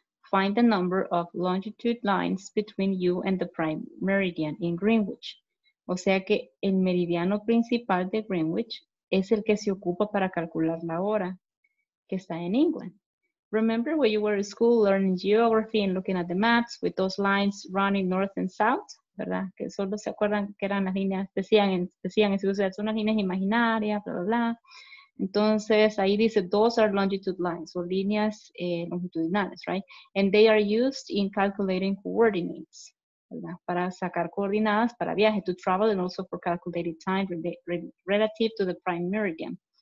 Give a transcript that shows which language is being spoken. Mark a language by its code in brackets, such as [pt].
[en] Find the number of longitude lines between you and the prime meridian in Greenwich. [es] O sea que el meridiano principal de Greenwich es el que se ocupa para calcular la hora que está en England. [en] Remember when you were in school learning geography and looking at the maps with those lines running north and south, [es] ¿verdad? Que solo se acuerdan que eran las líneas, decían en su uso, son las líneas imaginarias, bla, bla, bla. Entonces, ahí dice, [en] those are longitude lines, [es] o líneas longitudinales, [en] right? And they are used in calculating coordinates, [es] ¿verdad? Para sacar coordinadas para viaje, [en] to travel, and also for calculated time relative to the prime meridian.